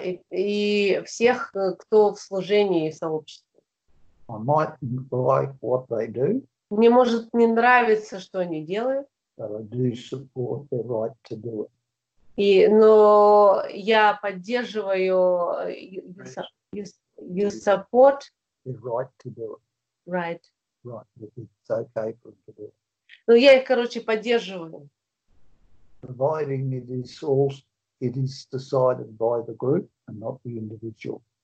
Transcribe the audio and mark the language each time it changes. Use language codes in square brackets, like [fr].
[ru] И всех, кто в служении сообщества. [en] I might like what they do, [ru] мне может не нравиться, что они делают. [en] But I do support their right to do it. [ru] Но я поддерживаю [en] you support their right to do it. Right. Right. It's okay for them to do it. [ru] Но я их, короче, поддерживаю. [en] Providing it is also it is decided by the group and not the individual.